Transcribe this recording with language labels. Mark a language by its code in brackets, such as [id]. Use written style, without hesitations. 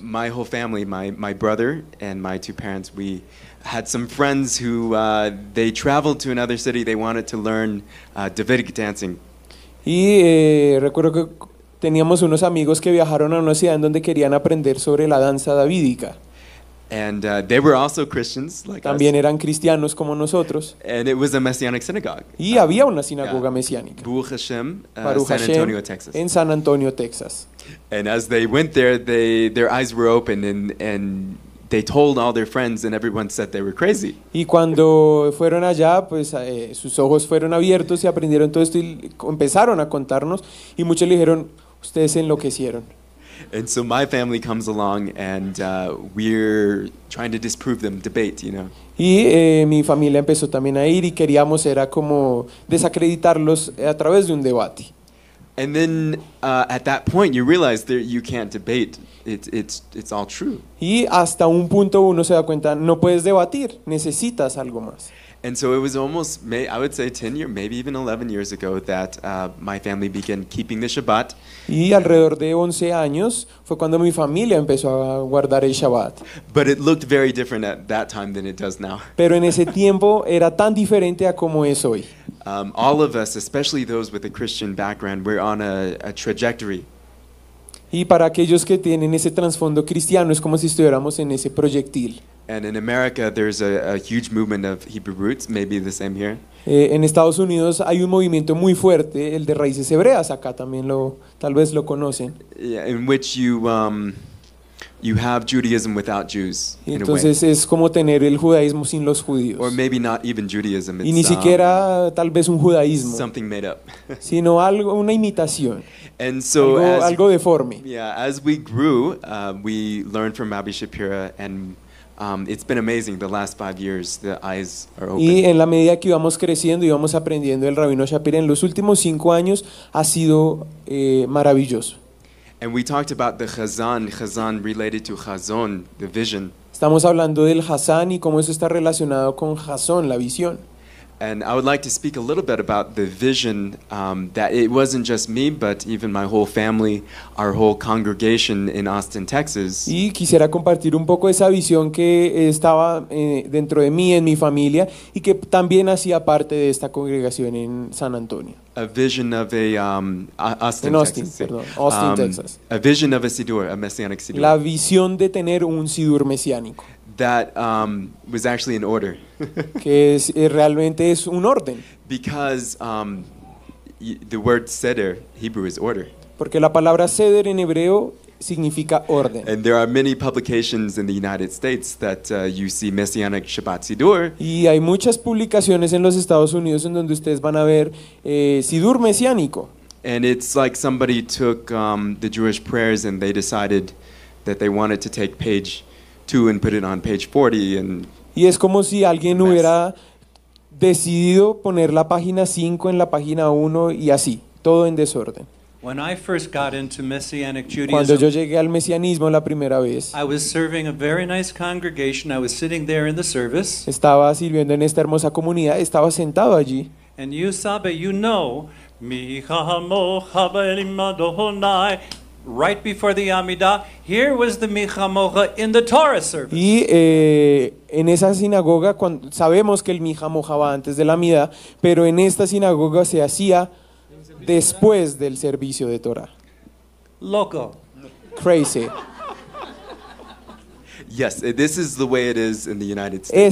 [en] My whole family, my brother and my two parents, we had some friends who, they traveled to another city, they wanted to learn Davidic dancing. [es] Y recuerdo que teníamos unos amigos que viajaron a una ciudad en donde querían aprender sobre la danza davídica. [en] And they were also Christians like us. [es] También eran cristianos como nosotros. [en] And it was a messianic synagogue. [es] Y había una sinagoga mesiánica. [en] Baruch Hashem, Baruch San Hashem, Antonio, Texas. [es] En San Antonio, Texas. [en] And as they went there, their eyes were open and they told all their friends and everyone said they were crazy. [es] Y cuando fueron allá, pues sus ojos fueron abiertos y aprendieron todo esto y empezaron a contarnos y muchos le dijeron, ustedes se enloquecieron. [en] And so my family comes along and we're trying to disprove them, debate, you know. [es] Y mi familia empezó también a ir y queríamos era como desacreditarlos a través de un debate. [en] And then at that point you realize that you can't debate. It's all true. [es] Y hasta un punto uno se da cuenta no puedes debatir, necesitas algo más. [en] And so it was almost I would say 10 years, maybe even 11 years ago that my family began keeping the Shabbat. [es] Y alrededor de 11 años fue cuando mi familia empezó a guardar el Shabbat. [en] But it looked very different at that time than it does now. [es] Pero en ese tiempo era tan diferente a como es hoy. [en] All of us, especially those with a Christian background, we're on a trajectory. [es] Y para aquellos que tienen ese trasfondo cristiano es como si estuviéramos en ese proyectil. [en] And in America, there's a huge movement of Hebrew roots. Maybe the same here. [es] En Estados Unidos hay un movimiento muy fuerte, el de raíces hebreas. Acá también lo, tal vez lo conocen. [en] Yeah, in which you you have Judaism without Jews. [es] Entonces es como tener el judaísmo sin los judíos. [en] Or maybe not even Judaism. [es] Y ni siquiera tal vez un judaísmo. [en] Something made up. [es] Sino algo, una imitación. [en] And so [es] algo deforme. [en] Yeah, as we grew, we learned from Rabbi Shapira and. It's been amazing the last 5 years. The eyes are open. [es] Y en la medida que íbamos creciendo y íbamos aprendiendo el rabino Shapira en los últimos 5 años ha sido maravilloso. [en] And we talked about the chazan related to chazon, the vision. [es] Estamos hablando del chazan y cómo eso está relacionado con chazon, la visión. [en] And I would like to speak a little bit about the vision that it wasn't just me, but even my whole family, our whole congregation in Austin, Texas. [es] Y quisiera compartir un poco esa visión que estaba dentro de mí, en mi familia, y que también hacía parte de esta congregación en San Antonio. [en] A vision of a Austin, [es] en Austin, Texas. Perdón, Austin, Texas. [en] A vision of a sidur, a messianic sidur. [es] La visión de tener un sidur mesiánico. [en] That was actually an order. [es] Que es realmente es un orden. [en] Because the word seder, Hebrew, is order. [es] Porque la palabra seder en hebreo significa orden. [en] And there are many publications in the United States that you see messianic Shabbat sidur. [es] Y hay muchas publicaciones en los Estados Unidos en donde ustedes van a ver sidur mesiánico. [en] And it's like somebody took the Jewish prayers and they decided that they wanted to take page 2 and put it on page 40 and [es] y es como si alguien hubiera decidido poner la página 5 en la página 1 y así, todo en desorden. [en] When I first got into Messianic Judaism, [es] cuando yo llegué al mesianismo la primera vez, [en] I was serving a very nice congregation. I was sitting there in the service. [es] Estaba sirviendo en esta hermosa comunidad, estaba sentado allí. And you sabe, you know, mi ha mo ha ba eli madohonai. [en] Right before the Amidah, here was the Micha Moja in the Torah service. [es] Y en esa sinagoga, cuando, sabemos que el Micha Moja va antes de la Amidah, pero en esta sinagoga se hacía después del servicio de Torah. Loco. [en] Crazy. Yes, this is the way it is in the United States.